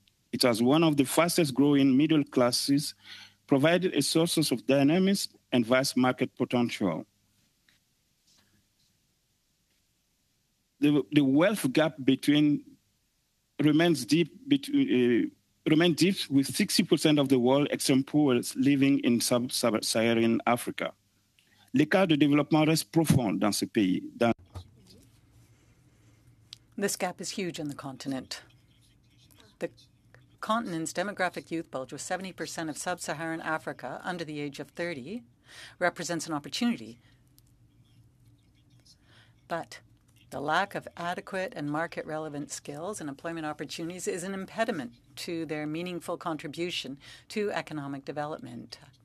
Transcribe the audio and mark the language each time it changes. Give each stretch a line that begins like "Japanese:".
English: It has one of the fastest growing middle classes, provided a source of dynamism and vast market potential. The wealth gap remains deep, with 60% of the world's extreme poor living in sub-Saharan Africa.
French: L'écart de développement reste profond dans ce pays.
English: This gap is huge in the continent. The continent's demographic youth bulge, with 70% of sub-Saharan Africa under the age of 30, represents an opportunity. But the lack of adequate and market-relevant skills and employment opportunities is an impediment to their meaningful contribution to economic development.